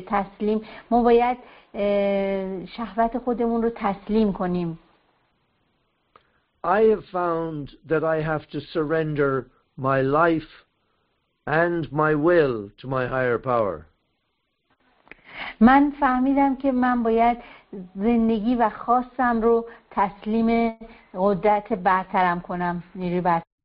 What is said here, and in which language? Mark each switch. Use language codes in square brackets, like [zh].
[fa] تسلیم، ما باید شهوت خودمون رو تسلیم کنیم. [en] I have found that I have to surrender my life and my will to my higher power. [fa] من فهمیدم که من باید زندگی و خواستم رو تسلیم قدرت برترم کنم، نیروی برتر.